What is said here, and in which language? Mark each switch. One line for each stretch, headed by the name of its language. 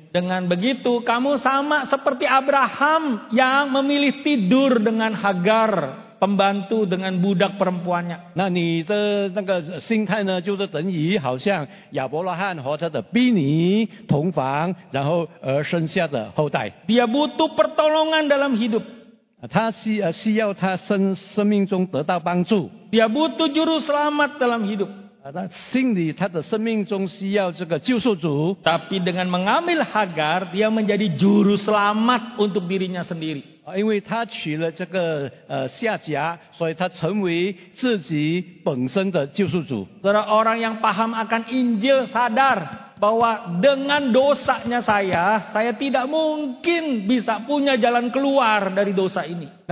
Indonesian: Dengan begitu kamu sama seperti Abraham yang memilih tidur dengan Hagar, pembantu dengan budak perempuannya.
Chinese: 那你的那个心态呢，就是等于好像亚伯拉罕和他的婢女同房，然后而生下的后代。
Indonesian: Dia butuh pertolongan dalam hidup.
Chinese: 他需要他生命中得到帮助。
Indonesian: Dia butuh juru selamat dalam hidup.
Chinese: 他心里他的生命中需要这个救赎主。
Indonesian: Tapi dengan mengambil Hagar, dia menjadi juru selamat untuk dirinya sendiri.
Chinese: 因为他娶了这个夏甲，所以他成为自己本身的救赎主。
Indonesian: Orang yang paham akan Injil sadar bahwa dengan dosanya saya tidak mungkin bisa punya jalan keluar dari dosa ini.